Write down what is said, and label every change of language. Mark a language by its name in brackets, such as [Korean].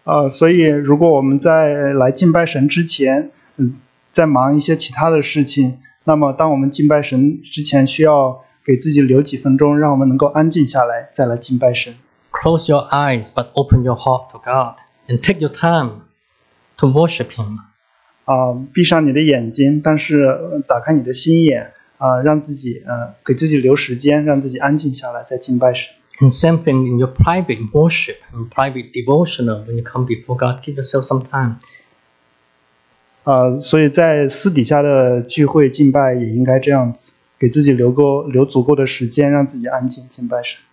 [Chinese] 所以如果我们在来敬拜神之前，在忙一些其他的事情，那么当我们敬拜神之前，需要给自己留几分钟，让我们能够安静下来，再来敬拜神。 [English] Close your eyes, but open your heart to God, and take your time to worship Him. [Chinese] 闭上你的眼睛，但是打开你的心眼，让自己给自己留时间，让自己安静下来，再敬拜神。 [English] And same thing in your private worship, and private devotional. When you come before God, give yourself some time. [Chinese] 所以在私底下的聚会敬拜也应该这样子。给自己留足够的时间，让自己安静敬拜神。